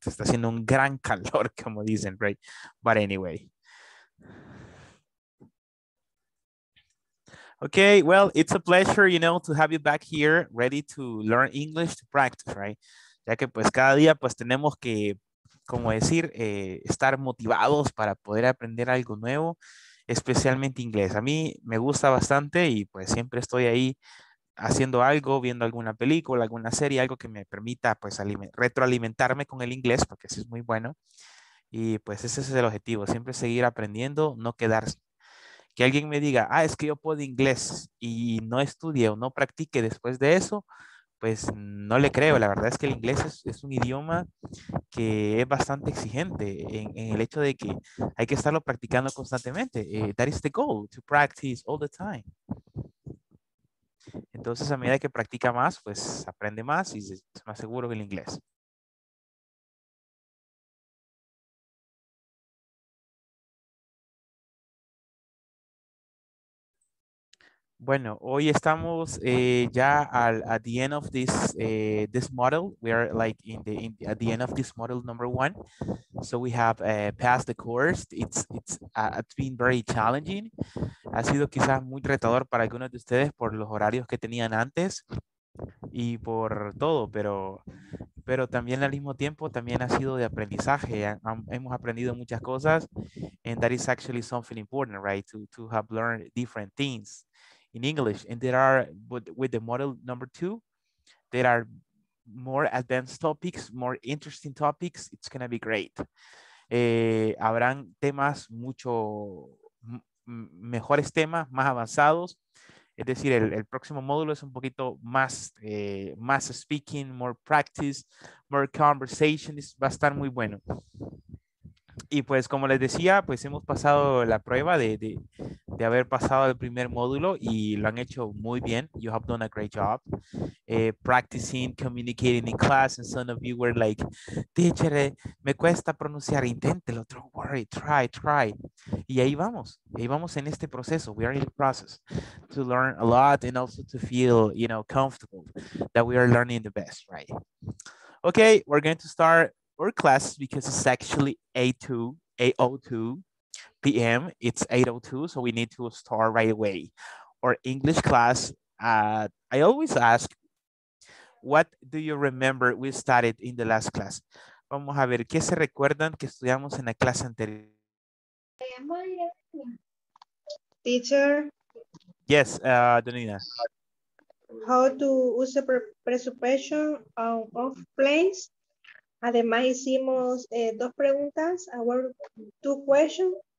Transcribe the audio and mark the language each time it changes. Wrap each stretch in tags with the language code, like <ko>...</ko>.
<es>Está haciendo un gran calor, como dicen, right?</es> <en>But anyway. Okay, well, it's a pleasure, you know, to have you back here, ready to learn English, to practice, right?</en> <es>Ya que pues cada día pues tenemos que, como decir, estar motivados para poder aprender algo nuevo. Especialmente inglés. A mí me gusta bastante y pues siempre estoy ahí haciendo algo, viendo alguna película, alguna serie, algo que me permita pues retroalimentarme con el inglés, porque eso es muy bueno. Y pues ese es el objetivo, siempre seguir aprendiendo, no quedarse. Que alguien me diga, ah, es que yo puedo inglés y no estudie o no practique después de eso, pues no le creo. La verdad es que el inglés es un idioma que es bastante exigente en el hecho de que hay que estarlo practicando constantemente.</es> <en>That is the goal, to practice all the time.</en> <es>Entonces, a medida que practica más, pues aprende más y es más seguro que el inglés. Bueno, hoy estamos ya</es> <en>at the end of this this model. We are like at the end of this model number one. So we have passed the course. It's been very challenging.</en> <es>Ha sido quizás muy retador para algunos de ustedes por los horarios que tenían antes y por todo, pero también al mismo tiempo también ha sido de aprendizaje. Hemos aprendido muchas cosas,</es> <en>and that is actually something important, right? To have learned different things. In English, and there are with the model number two, there are more advanced topics, more interesting topics. It's gonna be great.</en> <es>Habrán temas mucho mejores temas, más avanzados. Es decir, el próximo módulo es un poquito más más</es> <en>speaking, more practice, more conversation.</en> <es>Es va a estar muy bueno. Y pues como les decía, pues hemos pasado la prueba de haber pasado el primer módulo y lo han hecho muy bien.</es> <en>You have done a great job practicing, communicating in class. And some of you were like, teacher,</en> <es>me cuesta pronunciar, inténtelo,</es> <en>don't worry, try.</en> <es>Y ahí vamos en este proceso.</es> <en>We are in the process to learn a lot and also to feel, you know, comfortable that we are learning the best, right? Okay, we're going to start our class because it's actually 8:02 p.m. It's 8:02, so we need to start right away. Our English class, I always ask, what do you remember we started in the last class?</en> <es>Vamos a ver, ¿qué se recuerdan que estudiamos en la clase anterior?</es> <en>Teacher? Yes, Donina. How to use the presupuesto of place?</en> <es>Además, hicimos dos preguntas,</es> <en>two questions.</en>